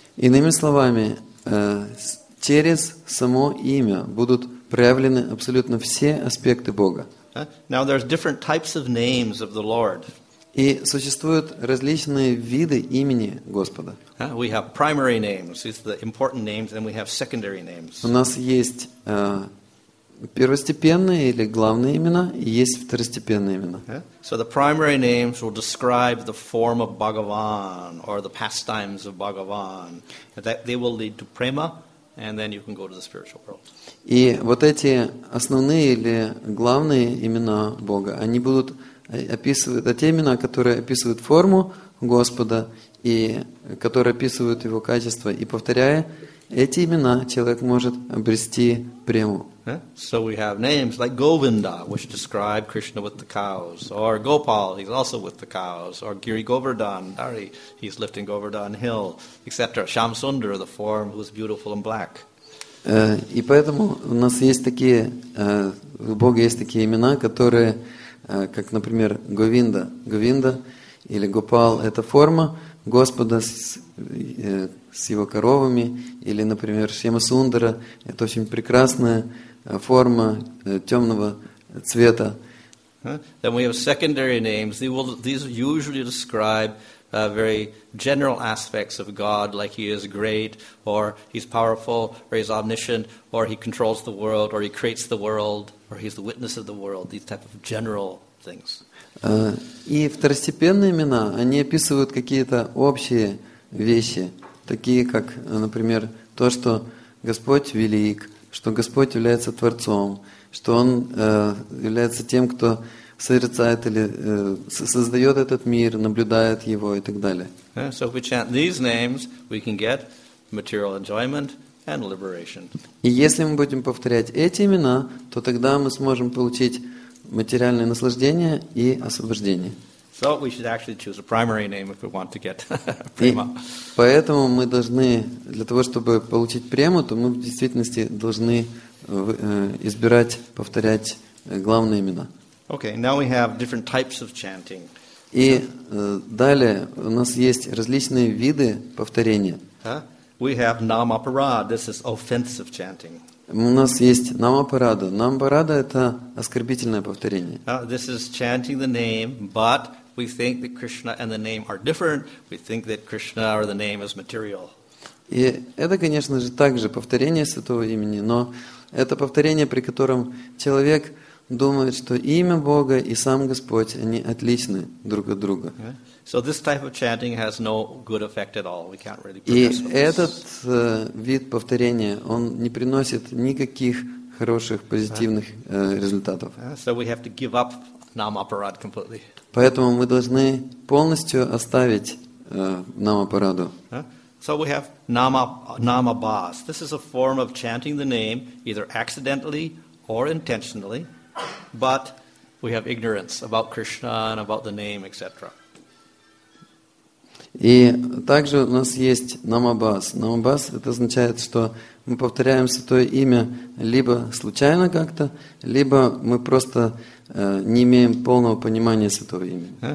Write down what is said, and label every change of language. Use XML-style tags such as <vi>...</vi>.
<ru>Иными словами, через само имя будут проявлены абсолютно все аспекты Бога.</ru> <en>Now there's different types of names of the Lord.</en> <ru>И существуют различные виды имени Господа.</ru> <en>We have primary names, these are the important names, and we have secondary names.</en> <ru>У нас есть первостепенные или главные имена, и есть второстепенные имена.</ru> <en>So the primary names will describe the form of Bhagavan or the pastimes of Bhagavan. They will lead to prema, and then you can go to the spiritual world.</en> <ru>И вот эти основные или главные имена Бога, они будут описывают, это те имена, которые описывают форму Господа и которые описывают Его качество. И повторяя эти имена, человек может обрести прему.</ru> <en>So we have names like Govinda, which describe Krishna with the cows, or Gopal, he's also with the cows, or Giri Govardhan, Dari, he's lifting Govardhan Hill, etc. Shamsundar, the form who is beautiful and black.</en> <ru>И поэтому у нас есть такие, у Бога есть такие имена, которые, как, например, Говинда. Говинда или Гопал – это форма Господа с его коровами. Или, например, Шьямасундара – это очень прекрасная форма темного цвета.</ru> <en>Then we have secondary names. These usually describe very general aspects of God, like He is great, or He's powerful, or He's omniscient, or He controls the world, or He creates the world, or He's the witness of the world. These type of general things.</en> <ru>И второстепенные имена, они описывают какие-то общие вещи, такие как, например, то, что Господь велик, что Господь является Творцом, что Он является тем, кто созерцает или создает этот мир, наблюдает его и так далее.</ru> <en>So if we chant these names, we can get material enjoyment and liberation.</en> <ru>И если мы будем повторять эти имена, то тогда мы сможем получить материальное наслаждение и освобождение.</ru> <en>So we should actually choose a primary name if we want to get prema.</en> <ru>Поэтому мы должны, для того, чтобы получить прему, то мы в действительности должны избирать, повторять главные имена.</ru> <en>Okay, now we have different types of chanting.</en> <ru>И далее у нас есть различные виды повторения.</ru> <en>We have namaparada. This is offensive chanting.</en> <ru>У нас есть намапарада. Намапарада – это оскорбительное повторение.</ru> <en>This is chanting the name, but we think that Krishna and the name are different. We think that Krishna or the name is material.</en> <ru>И это, конечно же, также повторение святого имени, но это повторение, при котором человек думает, что имя Бога и сам Господь, они отличны друг от друга.</ru> <en>So this type of chanting has no good effect at all. We can't really.</en> <ru>И этот вид повторения, он не приносит никаких хороших позитивных результатов.</ru> <en>So we have to give up namaparad completely.</en> <ru>Поэтому мы должны полностью оставить намапараду.</ru> <en>So we have namabhas. This is a form of chanting the name either accidentally or intentionally, but we have ignorance about Krishna and about the name, etc.</en> <ru>И также у нас есть намабас. Намабас – это означает, что мы повторяем святое имя либо случайно как-то, либо мы просто не имеем полного понимания святого имени.</ru>